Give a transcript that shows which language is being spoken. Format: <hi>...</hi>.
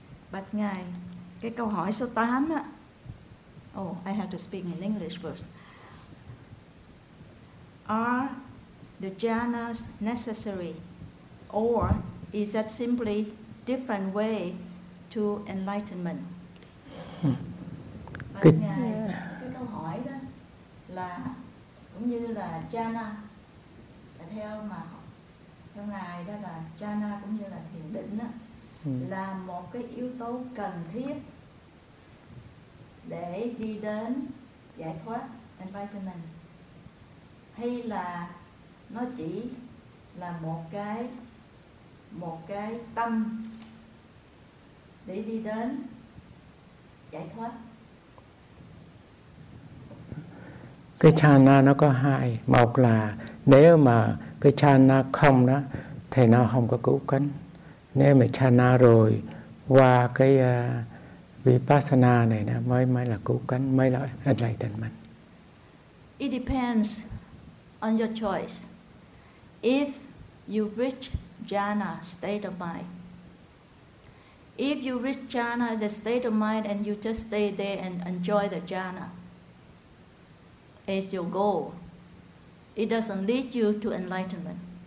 <vi>Bạch Ngài, cái câu hỏi số 8 á.</vi> <en>Oh, I have to speak in English first. Are the jhanas necessary, or is that simply different way to enlightenment?</en> <vi>Bạch Ngài, cái câu hỏi đó là cũng như là jhana, là theo Ngài đó là jhana cũng như là thiền định á, là một cái yếu tố cần thiết để đi đến giải thoát, enlightenment, hay là nó chỉ là một cái tâm để đi đến giải thoát? Cái jhana nó có hai, một là nếu mà cái jhana không đó thì nó không có cứu cánh. Nếu mà jhana rồi qua cái vipassana này nè, mới là cứu cánh, mới là enlightenment.</vi> <en>It depends on your choice. If you reach jhana state of mind, if you reach jhana the state of mind and you just stay there and enjoy the jhana as your goal, it doesn't lead you to enlightenment.</en>